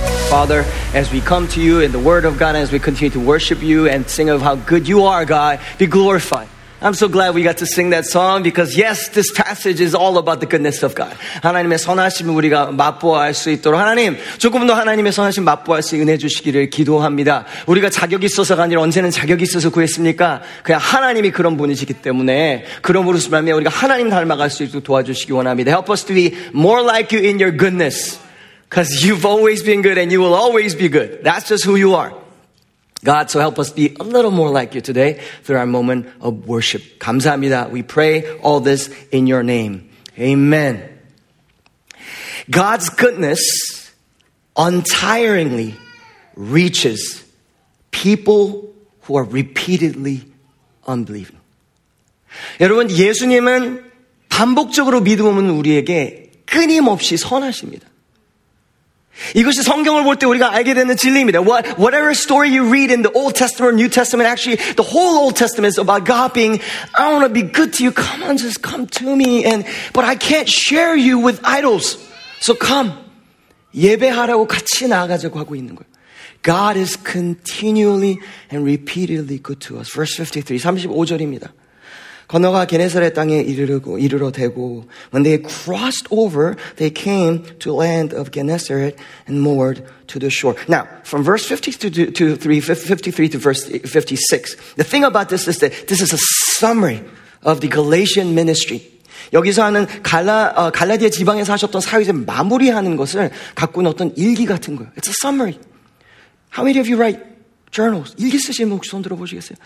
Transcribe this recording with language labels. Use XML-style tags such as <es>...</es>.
<en>Father, as we come to you in the word of God, as we continue to worship you and sing of how good you are, God, be glorified. I'm so glad we got to sing that song because yes, this passage is all about the goodness of God.</en> <ko>하나님의 선하심을 우리가 맛보할 수 있도록 하나님 조금 더 하나님의 선하심 맛보할 수 은혜 주시기를 기도합니다. 우리가 자격이 있어서가 아니라 언제는 자격이 있어서 구했습니까? 그냥 하나님이 그런 분이시기 때문에 그러므로서 말미암아 우리가 하나님 닮아갈 수 있도록 도와주시기 원합니다.</ko> <en>Help us to be more like you in your goodness. Because you've always been good and you will always be good. That's just who you are. God, so help us be a little more like you today through our moment of worship.</en> <ko>감사합니다.</ko> <en>We pray all this in your name. Amen. God's goodness untiringly reaches people who are repeatedly unbelieving.</en> <ko>여러분, 예수님은 반복적으로 믿음 없는 우리에게 끊임없이 선하십니다. 이것이 성경을 볼 때 우리가 알게 되는 진리입니다.</ko> <en>Whatever story you read in the Old Testament or New Testament, actually the whole Old Testament is about God being, I want to be good to you. Come on, just come to me. But I can't share you with idols. So come.</en> <ko>예배하라고 같이 나아가자고 하고 있는 거예요.</ko> <en>God is continually and repeatedly good to us. Verse 53,</en> <ko>35절입니다. 건너가 게네사렛 땅에 이르러 대고</ko> <en>when they crossed over, they came to land of Gennesaret and moored to the shore. Now, from verse 53 to verse 56, the thing about this is that this is a summary of the Galatian ministry.</en> <ko>여기서 하는 갈라디아 지방에서 하셨던 사역을 마무리하는 것을 갖고 어떤 일기 같은 거예요.</ko> <en>It's a summary. How many of you write journals?</en> <ko>일기 쓰시는 혹시 손 들어보시겠어요?</ko>